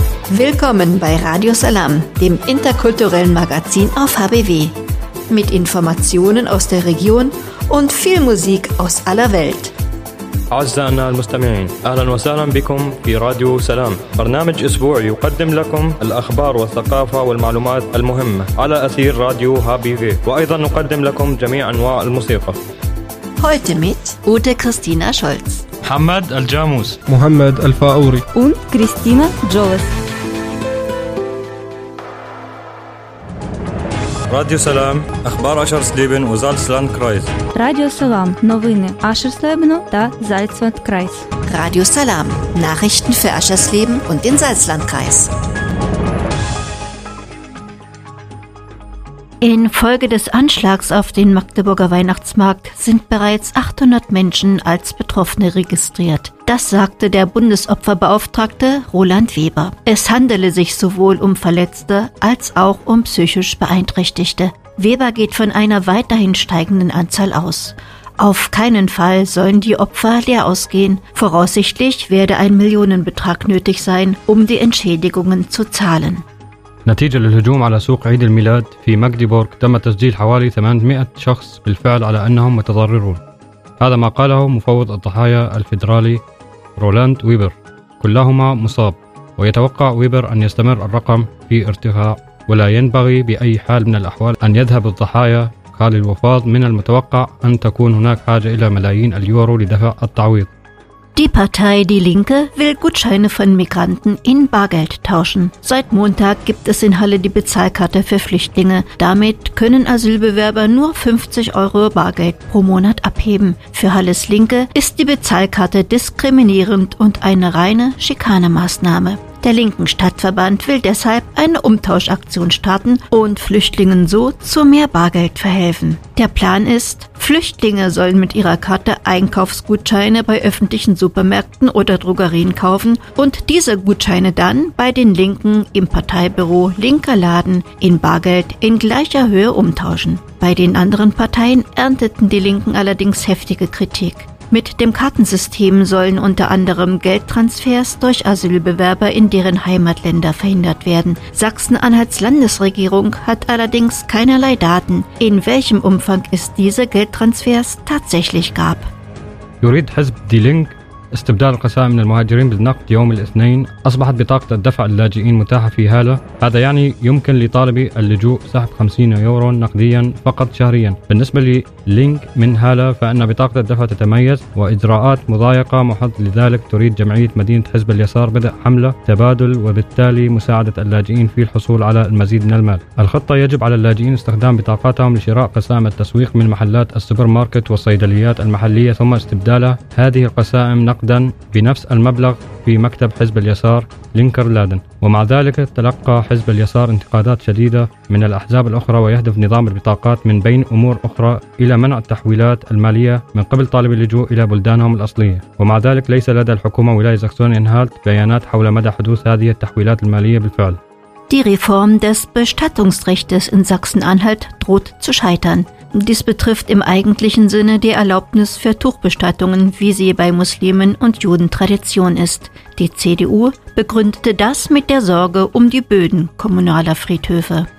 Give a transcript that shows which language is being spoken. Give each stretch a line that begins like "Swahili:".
German: Willkommen bei Radio Salam, dem interkulturellen Magazin auf HBW. Mit Informationen aus der Region und viel Musik aus aller Welt.
Arabic: أعزائنا المستمعين أهلا وسهلا بكم في راديو سلام برنامج أسبوع يقدم لكم الأخبار والثقافة والمعلومات المهمة على أثير راديو هابي في وأيضا نقدم لكم جميع أنواع الموسيقى
German: Heute mit Ute Christina Scholz
Arabic: محمد الجاموس محمد الفاوري
German: und Christina Joves
Ukrainian: Радіо Салам, Ахбар Ашерслібен у Зальцландкрайз. Радіо Салам, новини Ашерслібену та Зальцландкрайз.
German: Радіо Салам, Nachrichten für Ашерслібен und den Salzlandkreis. Infolge des Anschlags auf den Magdeburger Weihnachtsmarkt sind bereits 800 Menschen als Betroffene registriert. Das sagte der Bundesopferbeauftragte Roland Weber. Es handele sich sowohl um Verletzte als auch um psychisch Beeinträchtigte. Weber geht von einer weiterhin steigenden Anzahl aus. Auf keinen Fall sollen die Opfer leer ausgehen. Voraussichtlich werde ein Millionenbetrag nötig sein, um die Entschädigungen zu zahlen.
Arabic: نتيجة للهجوم على سوق عيد الميلاد في ماغديبورغ تم تسجيل حوالي 800 شخص بالفعل على أنهم متضررون هذا ما قاله مفوض الضحايا الفيدرالي رولاند ويبر كلهما مصاب ويتوقع ويبر أن يستمر الرقم في ارتفاع ولا ينبغي بأي حال من الأحوال أن يذهب الضحايا قال الوفاض من المتوقع أن تكون هناك حاجة إلى ملايين اليورو لدفع التعويض
German: Die Partei Die Linke will Gutscheine von Migranten in Bargeld tauschen. Seit Montag gibt es in Halle die Bezahlkarte für Flüchtlinge. Damit können Asylbewerber nur 50 Euro Bargeld pro Monat abheben. Für Halles Linke ist die Bezahlkarte diskriminierend und eine reine Schikanemaßnahme. Der linken Stadtverband will deshalb eine Umtauschaktion starten und Flüchtlingen so zu mehr Bargeld verhelfen. Der Plan ist, Flüchtlinge sollen mit ihrer Karte Einkaufsgutscheine bei öffentlichen Supermärkten oder Drogerien kaufen und diese Gutscheine dann bei den Linken im Parteibüro Linker Laden in Bargeld in gleicher Höhe umtauschen. Bei den anderen Parteien ernteten die Linken allerdings heftige Kritik. Mit dem Kartensystem sollen unter anderem Geldtransfers durch Asylbewerber in deren Heimatländer verhindert werden. Sachsen-Anhalts Landesregierung hat allerdings keinerlei Daten, in welchem Umfang es diese Geldtransfers tatsächlich gab.
Arabic: يريد حزب دي لينك استبدال القسائم للمهاجرين بالنقد يوم الاثنين أصبحت بطاقة الدفع اللاجئين متاحة في هالة هذا يعني يمكن لطالبي اللجوء سحب 50 يورو نقديا فقط شهريا بالنسبة للينك من هالة فإن بطاقة الدفع تتميز وإجراءات مضايقة محض لذلك تريد جمعية مدينة حزب اليسار بدء حملة تبادل وبالتالي مساعدة اللاجئين في الحصول على المزيد من المال الخطة يجب على اللاجئين استخدام بطاقاتهم لشراء قسائم التسويق من محلات السوبر ماركت والصيدليات المحلية ثم استبدالها هذه القسائم نقدا بنفس المبلغ في مكتب حزب اليسار لينكر لادن ومع ذلك تلقى حزب اليسار انتقادات شديدة من الأحزاب الأخرى ويهدف نظام البطاقات من بين أمور أخرى إلى منع التحويلات المالية من قبل طالب اللجوء إلى بلدانهم الأصلية ومع ذلك ليس لدى الحكومة ولاية ساكسون-أنهالت بيانات حول مدى حدوث هذه التحويلات المالية بالفعل
German: Die Reform des Bestattungsrechts in Sachsen-Anhalt droht zu scheitern. Dies betrifft im eigentlichen Sinne die Erlaubnis für Tuchbestattungen, wie sie bei Muslimen und Juden Tradition ist. Die CDU begründete das mit der Sorge um die Böden kommunaler Friedhöfe.